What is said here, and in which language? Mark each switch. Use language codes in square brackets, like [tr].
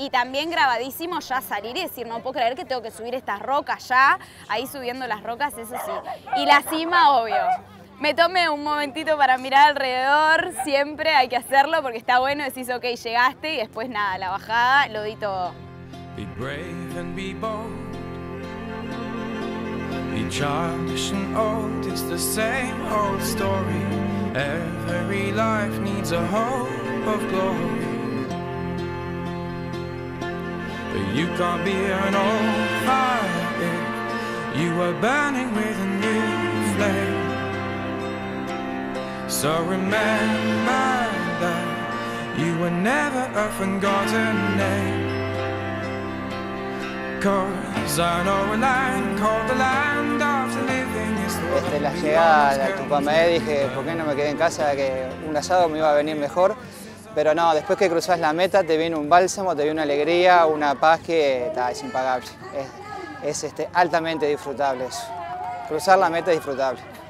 [es] Y también grabadísimo ya salir y decir, no puedo creer que tengo que subir estas rocas ya, ahí subiendo las rocas, eso sí. Y la cima, obvio. Me tomé un momentito para mirar alrededor, siempre hay que hacerlo porque está bueno, decís ok, llegaste y después nada, la bajada, lo di todo. [en] Be brave and be bold. Be childish and old, it's the same old story. Every life needs a hope of glory. But you can't be an old fire, you are burning with a new flame. So remember that you were never a forgotten name. Cause I know a land called the land of the living is the world. [es] La llegada a Tupamé, dije, ¿por qué no me quedé en casa? Que un asado me iba a venir mejor. Pero no, después que cruzás la meta, te viene un bálsamo, te viene una alegría, una paz que es impagable. Es altamente disfrutable eso. Cruzar la meta es disfrutable.